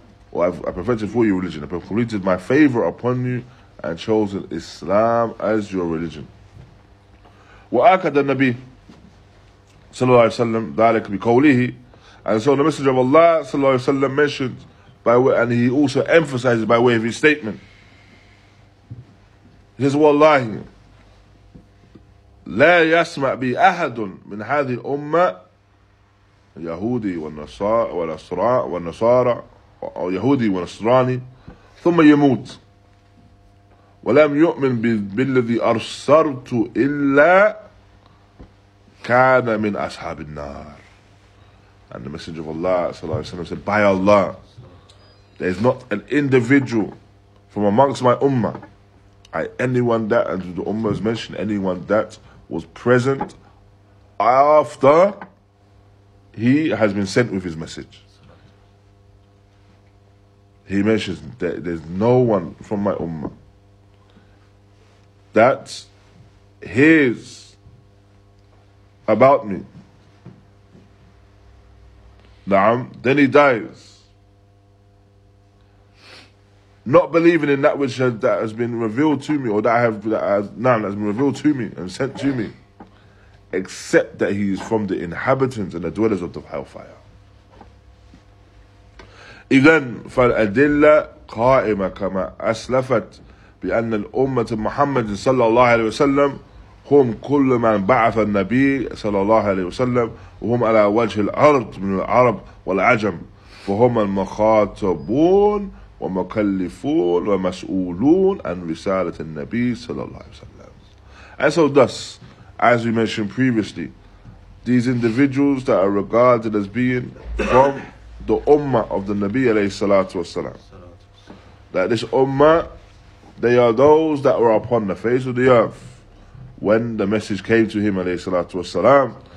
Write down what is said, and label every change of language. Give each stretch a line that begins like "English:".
English: Or I've perfected for you religion. I've completed my favor upon you and chosen Islam as your religion.
Arabic: وَأَكَدَ النَّبِيِّ صلى الله عليه وسلم ذَلَكَ بِقَوْلِهِ.
English: And so the Messenger of Allah صلى الله عليه وسلم mentioned by way, and he also emphasizes by way of his statement. He says,
Arabic: وَاللَّهِ لَا يَسْمَعْ بِي أَحَدٌ مِنْ هَذِي الْأُمَّةِ يهودي والنصارى أو يهودي ونصراني ثم يموت ولم يؤمن بالذي أرسلت إلا كان من أصحاب النار.
English: And the Messenger of Allah صلى الله عليه وسلم said, by Allah, there is not an individual from amongst my ummah, anyone that was present after he has been sent with his message. He mentions that there's no one from my ummah. That's his about me. Na'am. Then he dies. Not believing in that which has been revealed to me, or that has been revealed to me and sent to me. Except that he is from the inhabitants and the dwellers of the hellfire.
Arabic: إذن فالأدلة قائمة كما أسلفت بأن الأمة محمد صلى الله عليه وسلم هم كل من بعث النبي صلى الله عليه وسلم وهم على وجه الأرض من العرب والعجم فهم المخاطبون ومكلفون ومسؤولون عن رسالة النبي صلى الله عليه وسلم.
English: And so thus, as we mentioned previously, these individuals that are regarded as being from the ummah of the Nabi alayhi salatu wasalam. That this ummah, they are those that were upon the face of the earth when the message came to him alayhi salatu wasalam.